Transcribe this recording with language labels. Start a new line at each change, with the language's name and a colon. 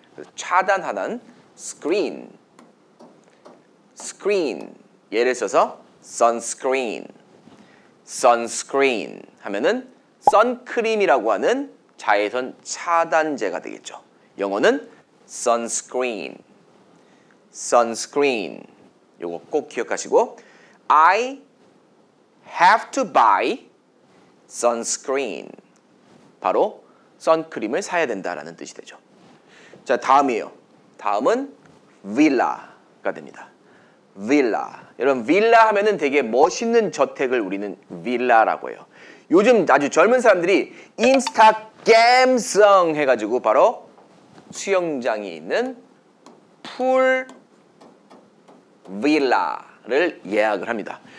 Korean: 그래서 차단하는 screen. screen. 얘를 써서 sunscreen. sunscreen 하면은 선크림이라고 하는 자외선 차단제가 되겠죠. 영어는 sunscreen.
English: sunscreen.
Korean: 요거 꼭 기억하시고
English: I have to buy sunscreen.
Korean: 바로 선크림을 사야 된다라는 뜻이 되죠. 자, 다음이에요. 다음은 villa가 됩니다.
English: villa.
Korean: 여러분, villa 하면은 되게 멋있는 저택을 우리는 villa라고 해요. 요즘 아주 젊은 사람들이 인스타겜성 해가지고 바로 수영장이 있는 풀 villa를 예약을 합니다.